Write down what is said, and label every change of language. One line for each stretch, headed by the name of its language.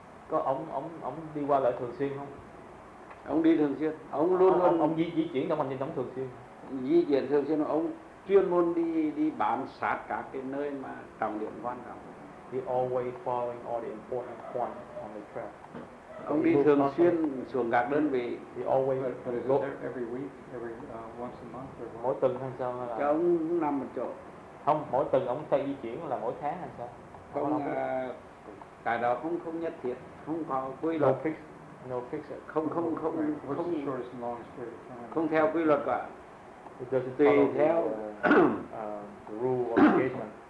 Vietnamese: Có ông đi qua lại thường xuyên không? Ông đi thường xuyên, ông luôn luôn ông di chuyển trong hành trình thường xuyên. Di chuyển thường xuyên, ông chuyên môn đi bám sát các cái nơi mà trọng điểm quan trọng.
English: He always following all the important points on the trail.
Vietnamese: Ông đi thường xuyên xuống các đơn vị.
English: He always go every week, every once a month or
Vietnamese: mỗi tuần hay sao? Là cái ông nằm một chỗ. Không, mỗi tuần ông phải di chuyển là mỗi tháng hay sao? Không. Cái đó không nhất thiết, không có quy luật.
English: No fix.
Vietnamese: Không.
English: What's the shortest and longest period of time?
Vietnamese: Không theo quy luật cả.
English: It doesn't
Vietnamese: tùy
English: follow
Vietnamese: theo
English: the rule or obligation.